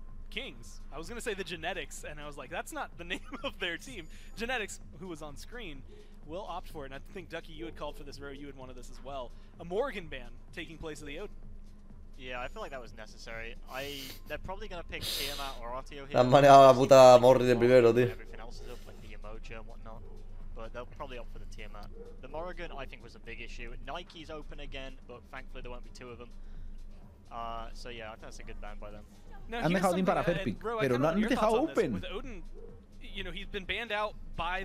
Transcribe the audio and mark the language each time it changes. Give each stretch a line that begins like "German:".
English: Kings. I was going to say the Genetics, and I was like, that's not the name of their team. Genetics, who was on screen, will opt for it. And I think, Ducky, you had called for this row. You had wanted this as well. A Morgan ban taking place of the Odin. Yeah, I feel like that was necessary. They're probably gonna pick Tiamat or Arteo here.
Spanish: Han maneado la puta Morri de primero, tío.
English: Everything else is up, like the emoji and whatnot. But they'll probably opt for the Tiamat. The Morrigan, I think, was a big issue. Nike's open again, but thankfully there won't be two of them. So yeah, I think that's a good ban by them.
Spanish: Now, han dejado Odin para Perpic, pero no han dejado open.
English: With Odin, you know, he's been banned out by the